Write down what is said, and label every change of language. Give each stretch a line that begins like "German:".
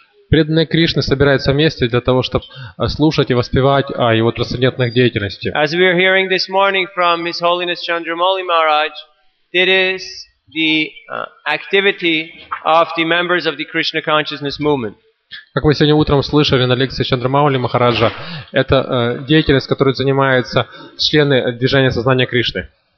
Russian: Преданные Кришны собираются вместе для того, чтобы слушать и воспевать о его трансцендентных деятельностях.
English: As we are hearing this morning from His Holiness Chandramouli Maharaj, it is the activity of the members of the Krishna Consciousness Movement.
Russian: Как вы сегодня утром слышали на лекции Чандрамаули Махараджа, это деятельность, которой занимаются члены движения сознания Кришны.